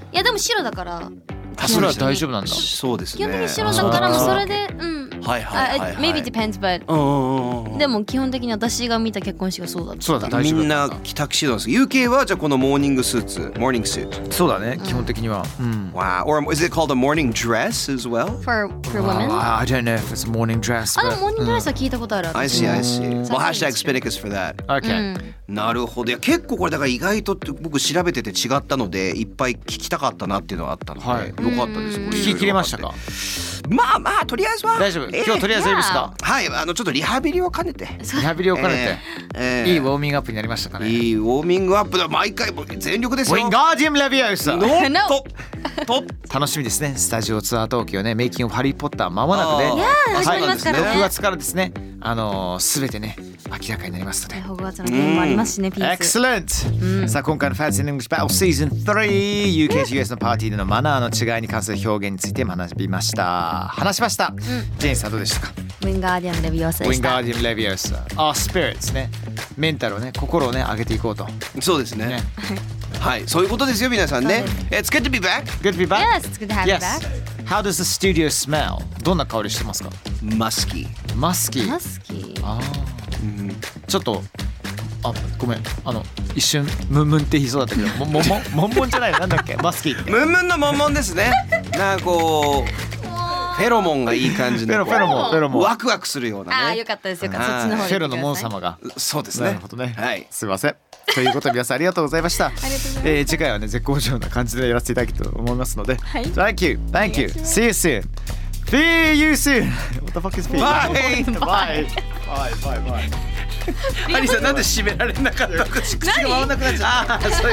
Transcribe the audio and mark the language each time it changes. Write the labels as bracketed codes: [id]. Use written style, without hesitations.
[ja] いやでも白だから。それは大丈夫なんだ。そうですね。基本的に白だからもそれで、はいはいはい、はい。 Maybe depends, but でも基本的に私が見た結婚式はそうだった。そうだ、大丈夫だ。みんな着タキシードなんですよ。UK はじゃあこのモーニングスーツ、モーニングスーツ。そうだね、基本的には。 [en] Wow. Or is it called a morning dress as well? For women? I don't know if it's a morning dress. [ja] あ、でもモーニングドレスは聞いたことある。 [en] I see, I see. Well, hashtag Spinnacus for that. Okay. [ja] なるほど。結構これだから意外と僕調べてて違ったので、いっぱい聞きたかったなっていうのはあったので。はい。良かったです。これ聞き切れましたか？まあまあとりあえずは大丈夫。今日とりあえずいいですか？はい、あのちょっとリハビリを兼ねて。リハビリを兼ねて、いいウォーミングアップになりましたかね？いいウォーミングアップだ。毎回も全力ですよ。ウィンガーディアムレビアスノット。楽しみですね。スタジオツアー東京ね、メイキングオブハリーポッター、まもなくで、ね、始まりますからね。 6月からですね、全てね明らかになりますので、ホグワーツの展望もありますしね、ピース。 [en] Excellent! [ja] さあ今回の Fancy English Battle Season 3 UK to US のパーティーでのマナーの違いに関する表現について学びました。話しました、ジェインさんどうでしたか？ウィンガーディアム・レヴィオーサでした。ウィンガーディアム・レヴィオーサ [en] Our spirits [ja] ね、メンタルをね、心をね上げていこうと。そうですね、はい、そういうことですよ、皆さんね。 [en] It's good to be back. Good to be back. Yes, it's good to have you back. How does the studio smell? [ja] どんな香りしてますか？マスキー。マスキー。マスキー。ああ。ちょっと。あ、ごめん、あの一瞬ムンムンって言いそうだったけど、モンモンモンモンじゃない、なんだっけ、マスキーってムンムンのモンモンですね。なんかこうフェロモンがいい感じの、フェロモン、フェロモン、ワクワクするようなね。あ、よかったですよかった、そっちの方に行ってください。フェロのモン様が、そうですね、なるほどね、はい、すいません。ということで皆さんありがとうございました。ありがとうございます。次回はね、絶好調な感じでやらせていただきたいと思いますので、はい、 [en] Thank you, thank you, see you soon, see you soon. What the fuck is being? Bye, bye, bye, bye, bye. [ja] ハリーさん、なんで締められなかったの？口が回らなくなっちゃった。